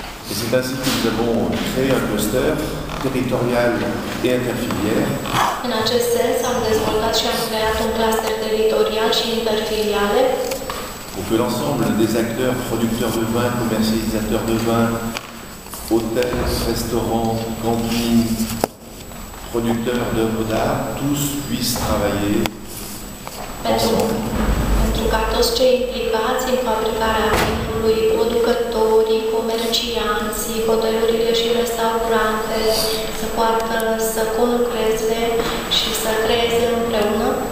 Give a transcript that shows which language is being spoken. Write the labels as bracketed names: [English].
[French] Et c'est ainsi que nous avons créé un cluster territorial et interfilière. [Romanian] În acest sens, am dezvoltat și am creat un cluster teritorial și interfiliare. [French] Pour que l'ensemble des acteurs, producteurs de vin, commercialisateurs de vin, hôtels, restaurants, cantines, producteurs d'œuvres d'art, tous puissent travailler ensemble. [Romanian] Pentru ca toți cei implicați în fabricarea vinului, producătorii, comercianții, hotelurile și restaurante, să poată să conlucreze și să creeze împreună.